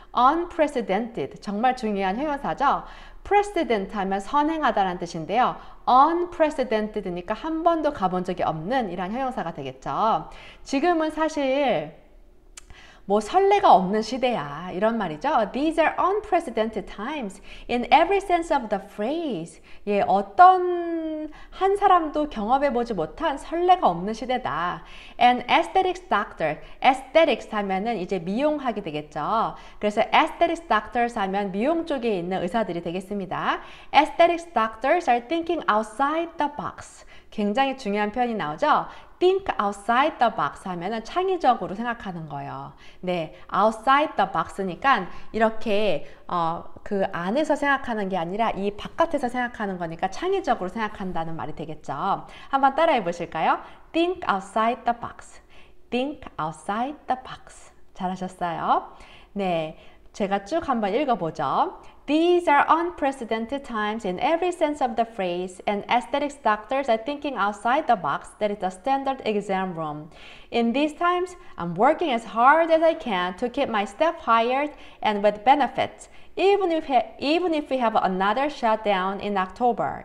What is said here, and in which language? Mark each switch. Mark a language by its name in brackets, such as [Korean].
[Korean] Unprecedented. 정말 중요한 형용사죠. Precedent 하면 선행하다라는 뜻인데요. Unprecedented니까 한 번도 가본 적이 없는 이런 형용사가 되겠죠. 지금은 사실 뭐 선례가 없는 시대야. 이런 말이죠. [English] These are unprecedented times in every sense of the phrase. [Korean] 예, 어떤 한 사람도 경험해 보지 못한 선례가 없는 시대다. [English] An aesthetics doctor. [Korean] Aesthetics 하면은 이제 미용하게 되겠죠. 그래서 aesthetics doctors 하면 미용 쪽에 있는 의사들이 되겠습니다. [English] Aesthetics doctors are thinking outside the box. [Korean] 굉장히 중요한 표현이 나오죠. [English] Think outside the box [Korean] 하면은 창의적으로 생각하는 거예요. 네, [English] outside the box [Korean] 니까 이렇게 그 안에서 생각하는 게 아니라 이 바깥에서 생각하는 거니까 창의적으로 생각한다는 말이 되겠죠. 한번 따라해 보실까요? [English] Think outside the box. Think outside the box. [Korean] 잘하셨어요. 네, 제가 쭉 한번 읽어보죠. [English] These are unprecedented times in every sense of the phrase, and aesthetics doctors are thinking outside the box that is the standard exam room. In these times, I'm working as hard as I can to keep my staff hired and with benefits, even if we have another shutdown in October.